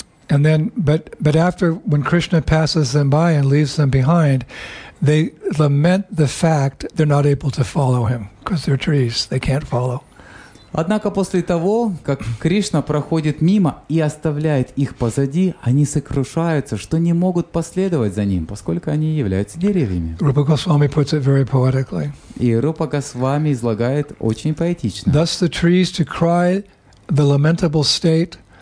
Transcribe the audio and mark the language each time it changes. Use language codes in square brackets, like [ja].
[en] And then, but after, when Krishna passes them by and leaves them behind, they lament the fact they're not able to follow him because they're trees; they can't follow. [ru] Однако после того, как Кришна проходит мимо и оставляет их позади, они сокрушаются, что не могут последовать за ним, поскольку они являются деревьями. [en] Rupa Goswami puts it very poetically. [ru] И Рупа Госвами излагает очень поэтично. [en] Thus, the trees to cry the lamentable state.